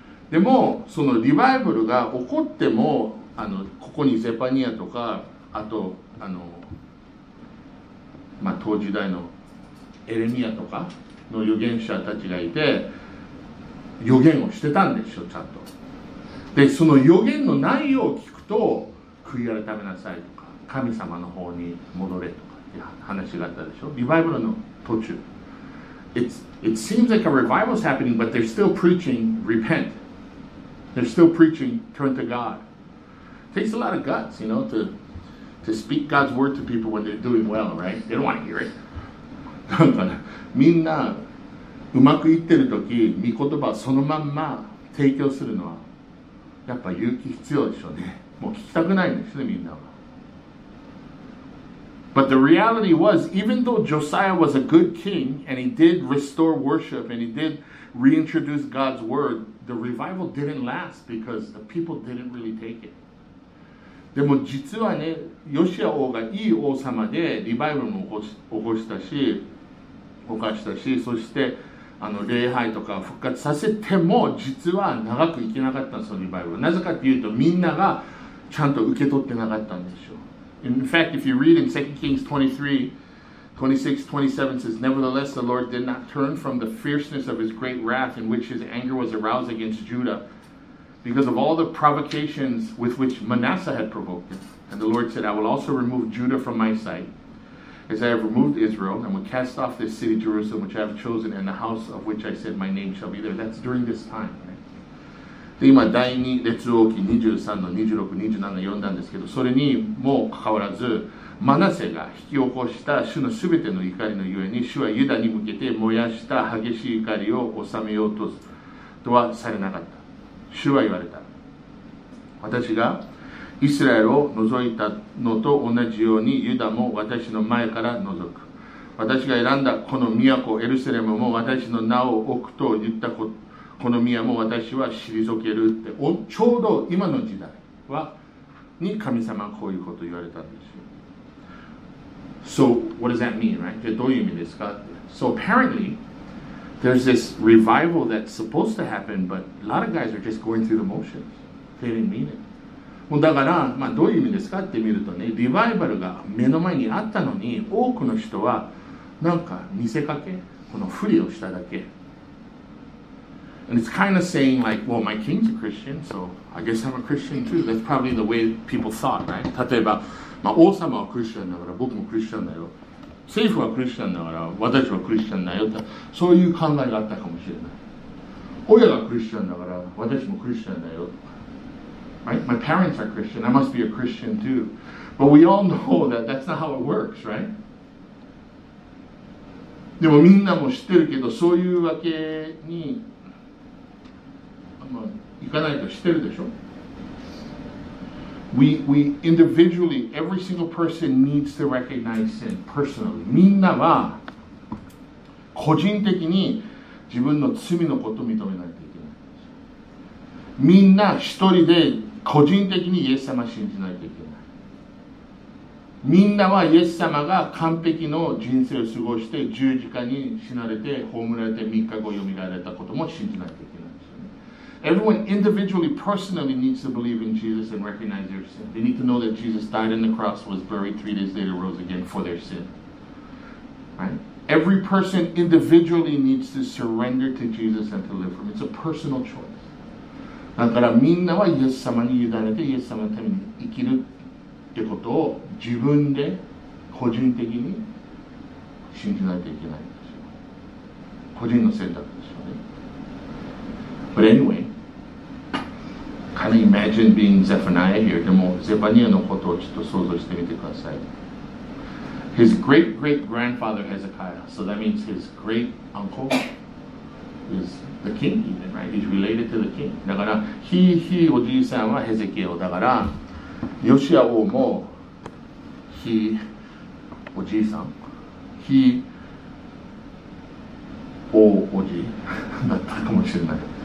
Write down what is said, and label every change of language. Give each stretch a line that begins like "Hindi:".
Japanese: でも、そのリバイバルが起こっても、ここにゼパニアとか、あと、当時代のエレミアとかの預言者たちがいて、預言をしてたんでしょ、ちゃんと。で、その預言の内容を聞くと、悔い改めなさいとか、神様の方に戻れとかって話があったでしょ、リバイバルの途中。
English: It seems like a revival is happening, but they're still preaching repent. They're still preaching turn to God. It takes a lot of guts, you know, to speak God's word to people when they're doing well, right? They don't want to hear it.
Japanese: だからみんなうまくいってる時、御言葉をそのまんま提供するのはやっぱ勇気必要でしょうね。もう聞きたくないんですね、みんなは。
English: But the reality was, even though Josiah was a good king, and he did restore worship, and he did reintroduce God's word, the revival didn't last because the people didn't really take it.
Japanese: でも実はね、ヨシア王がいい王様でリバイバルも起こしたし、そして礼拝とか復活させても、実は長くいけなかったんですよ、リバイバル。なぜかというと、みんながちゃんと受け取ってなかったんでしょう。
English: In fact, if you read in 2 Kings 23:26-27, says, Nevertheless, the Lord did not turn from the fierceness of his great wrath in which his anger was aroused against Judah because of all the provocations with which Manasseh had provoked him. And the Lord said, I will also remove Judah from my sight as I have removed Israel and will cast off this city, Jerusalem, which I have chosen and the house of which I said my name shall be there. That's during this time.
Japanese: で今第2列王記23の26、27読んだんですけど、それにもうかかわらずマナセが引き起こした主のすべての怒りのゆえに、主はユダに向けて燃やした激しい怒りを収めようとはされなかった。主は言われた、私がイスラエルを除いたのと同じようにユダも私の前から除く、私が選んだこの都エルサレムも私の名を置くと言ったこと、この宮も私は退けるって、ちょうど今の時代はに神様はこういうことを言われたんですよ。
English: So what does that mean, right?
Japanese: じゃあどういう意味ですか？
English: So apparently there's this revival that's supposed to happen, but a lot of guys are just going through the motions. They didn't mean it.
Japanese: もうだから、まあ、どういう意味ですかって見るとね、リバイバルが目の前にあったのに、多くの人はなんか見せかけ、このふりをしただけ。
English: And it's kind of saying like, well, my king's a Christian, so I guess I'm a Christian too. That's probably the way people thought, right?
Japanese: 例えば、まあ、王様はクリスチャンだから僕もクリスチャンだよ。政府はクリスチャンだから私はクリスチャンだよ。そういう考えがあったかもしれない。親がクリスチャンだから私もクリスチャンだよ。
English: Right? My parents are Christian. I must be a Christian too. But we all know that that's not how it works, right?
Japanese: でもみんなも知ってるけど、そういうわけに、行かないと知ってるでしょ。
English: We individually, every single person needs to recognize sin personally.
Japanese: みんなは個人的に自分の罪のことを認めないといけない。みんな一人で個人的にイエス様信じないといけない。みんなはイエス様が完璧の人生を過ごして十字架に死なれて葬られて3日後よみがえられたことも信じないといけない。
English: Everyone individually, personally needs to believe in Jesus and recognize their sin. They need to know that Jesus died on the cross, was buried 3 days later, rose again for their sin. Right? Every person individually needs to surrender to Jesus and to live for him. It's a personal choice.
Japanese: だからみんなはイエス様に委ねてイエス様のために生きるってことを自分で個人的に信じないといけないんですよ。個人の選択ですよね。
English: But anyway, kind of imagine being Zephaniah here.
Japanese: でもゼファニアのことをちょっと想像してみてください。
English: His great-great-grandfather Hezekiah, so that means his great-uncle is the king, even, right? He's related to the king.
Japanese: だから、ひおじいさんはヘゼキエオ。だから、ヨシア王も、ひおじいさん、ひおおじいだったかもしれない。